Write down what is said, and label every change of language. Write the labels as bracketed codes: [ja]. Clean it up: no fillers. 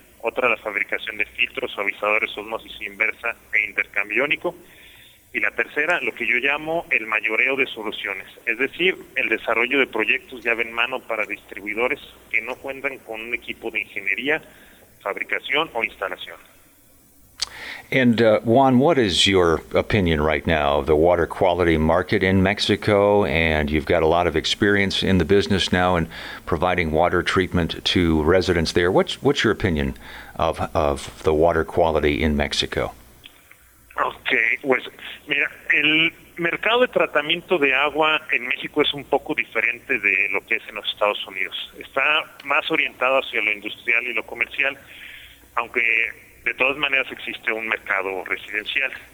[es] Otra, la fabricación de filtros, suavizadores, osmosis inversa e intercambio iónico. Y la tercera, lo que yo llamo el mayoreo de soluciones, es decir, el desarrollo de proyectos llave en mano para distribuidores que no cuentan con un equipo de ingeniería, fabricación o instalación. [en] And Juan, what is your opinion right now of the water quality market in Mexico? And you've got a lot of experience in the business now and providing water treatment to residents there. What's your opinion of the water quality in Mexico? [es] Okay, pues mira, el mercado de tratamiento de agua en México es un poco diferente de lo que es en los Estados Unidos. Está más orientado hacia lo industrial y lo comercial, aunque de todas maneras existe un mercado residencial.